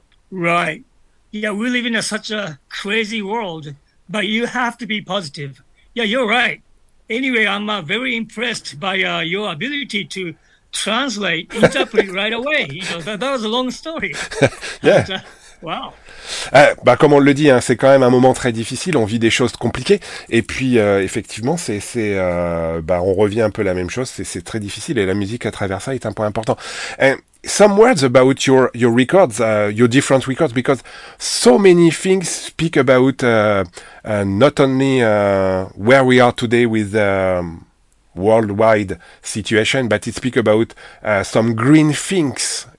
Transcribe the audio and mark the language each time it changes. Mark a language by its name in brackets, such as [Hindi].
[English] Right. Yeah, we live in such a crazy world, but you have to be positive. Yeah, you're right. Anyway, I'm very impressed by your ability to translate, interpret right away. You know, that was a long story. Yeah. Wow. [French] Comme on le dit, hein, c'est quand même un moment très difficile. On vit des choses compliquées, et puis effectivement, c'est on revient un peu à la même chose. C'est très difficile, et la musique à travers ça est un point important. [English] And some words about your records, your different records, because so many things speak about not only where we are today with worldwide situation, but it speak about some green things.